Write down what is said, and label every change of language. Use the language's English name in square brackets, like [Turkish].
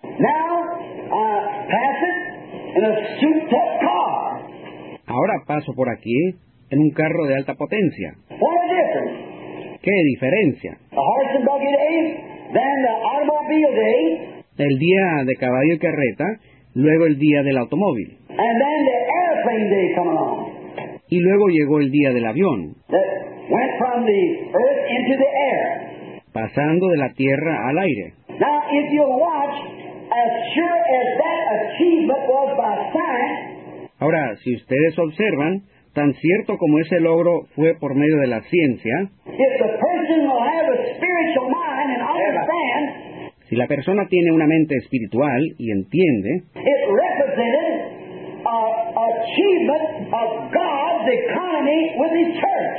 [English] Now, pass it in a souped-up car. [Spanish] Ahora paso por aquí en un carro de alta potencia. [English] What a difference. [Spanish] ¿Qué diferencia? [English] The horse and buggy day, then the automobile day. [Spanish] El día de caballo y carreta, luego el día del automóvil. [English] And then the airplane day come along. [Spanish] Y luego llegó el día del avión. [English] That went from the earth into the air. [Spanish] Pasando de la tierra al aire. [English] Now, if you watch, as sure as that achievement was by science. [Spanish] Ahora, si ustedes observan, tan cierto como ese logro fue por medio de la ciencia. [English] If the person will have a spiritual mind and understand. [Spanish] Si la persona tiene una mente espiritual y entiende. [English] It represented an achievement of God's economy with His church.